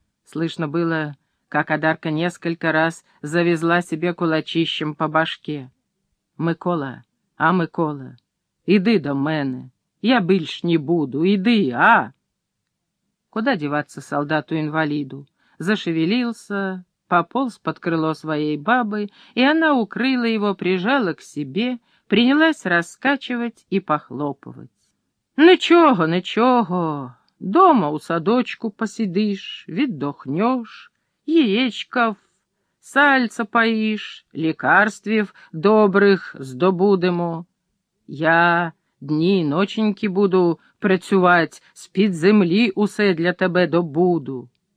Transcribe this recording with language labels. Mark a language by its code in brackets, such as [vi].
[ru] Слышно было, как Одарка несколько раз завезла себе кулачищем по башке. [uk] Микола, а Микола, іди до мене. Я більш не буду, іди, а? [ru] Куда деваться солдату-инвалиду? Зашевелился, пополз под крыло своей бабы, и она укрыла его, прижала к себе, принялась раскачивать и похлопывать. [uk] Нічого, нічого, дома у садочку посидиш, віддохнешь, яєчков, сальца поїш, лекарствів добрих здобудемо. Я дні і ноченьки буду працювати, з-під землі усе для тебе добуду.